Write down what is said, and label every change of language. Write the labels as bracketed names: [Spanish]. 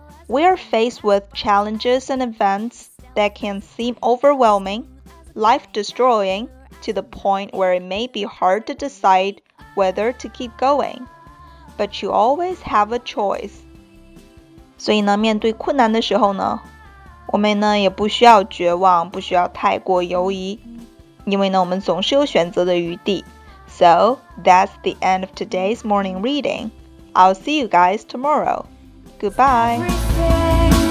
[English] We are faced with challenges and events that can seem overwhelming, life-destroying, to the point where it may be hard to decide whether to keep going. But you always have a choice. [Chinese] 所以呢，面对困难的时候呢，我们呢也不需要绝望，不需要太过犹疑，因为呢我们总是有选择的余地。 [English] So that's the end of today's morning reading. I'll see you guys tomorrow. Goodbye.